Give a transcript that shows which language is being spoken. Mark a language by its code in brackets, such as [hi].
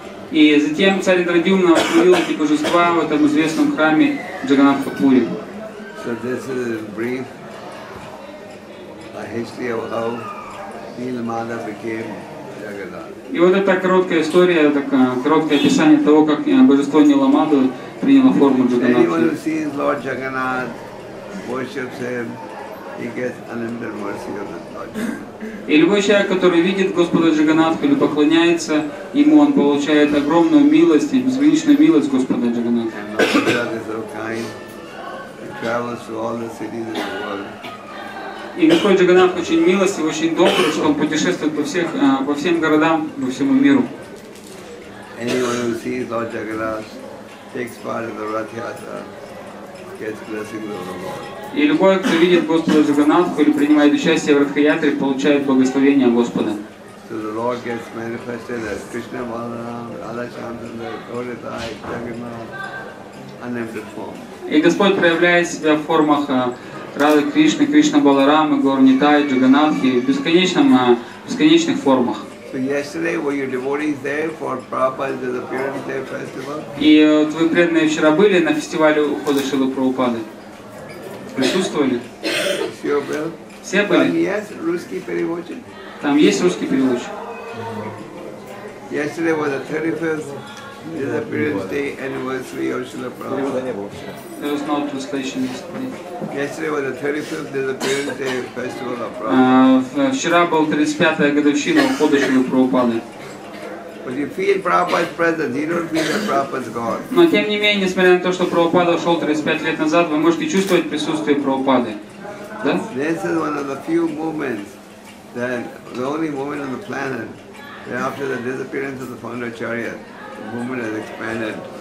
[ru] И затем царь Индрадюмна установил эти божества в этом известном храме Джаганатха-пури. [en] The history of how Nilamada became Jagannath. [ru] И вот эта короткая история, такое короткое описание того, как божество Ниламаду приняло форму Джаганатхи. [en] Anyone who sees Lord Jagannath, worships him, he gets unlimited mercy of the Lord. [ru] И любой человек, который видит Господа Джаганатху или поклоняется ему, он получает огромную милость, безграничную милость Господа Джаганатху. [en] And Lord is so kind, he travels to all the cities in the world. [ru] И Господь Джаганатх очень милостив, очень добр, что он путешествует по всех, по всем городам, по всему миру. [en] Anyone who sees Lord Jagannath takes part in the Rath Yatra gets blessings of the Lord. [ru] И любой, кто видит Господа Джаганатху или принимает участие в Ратха Ятре, получает благословение Господа. [en] So the Lord gets manifested as Krishna, Balaram, Radha Chandra, Gauridai, Jagannath, unlimited form. [ru] И Господь проявляет себя в формах Рады Кришны, Кришна Баларамы, Гор Нитай, Джаганатхи в бесконечном, бесконечных формах. [en] So yesterday were your devotees there for Prabhupada's appearance day festival? [ru] И твои преданные вчера были на фестивале ухода Шрилы Прабхупады? Присутствовали? Все были? [en] Yes, [ru] русский переводчик. Там есть русский переводчик? [en] Yesterday was the 35th appearance day anniversary of Шрилы Прабхупады. There was no translation yesterday. Yesterday was the 35th disappearance day festival of Prabhupada. [ru] Вчера был 35-я годовщина ухода Шрилы Прабхупады. [en] But you feel Prabhupada's presence, you don't feel that Prabhupada's gone. [ru] Но тем не менее, несмотря на то, что Прабхупада ушел 35 лет назад, вы можете чувствовать присутствие Прабхупады. Да? [en] This is one of the few moments that the only moment on the planet that after the disappearance of the founder Acharya, the movement has expanded